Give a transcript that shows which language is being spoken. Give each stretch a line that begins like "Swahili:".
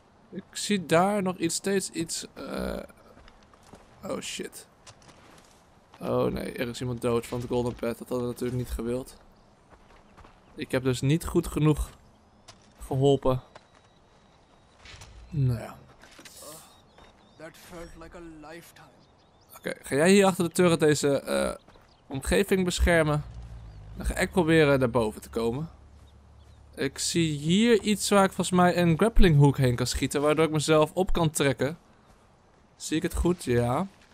Dutch: Ik zie daar nog iets, steeds iets.
English: Oh shit.
Dutch: Oh nee, er is iemand dood van het Golden Pet. Dat hadden we natuurlijk niet gewild. Ik heb dus niet goed genoeg geholpen. Nou ja.
English: That felt like a lifetime.
Dutch: Oké, ga jij hier achter de turret deze omgeving beschermen? Dan ga ik proberen naar boven te komen. Ik zie hier iets waar ik volgens mij een grappling hook heen kan schieten, waardoor ik mezelf op kan trekken. Zie ik het goed? Ja.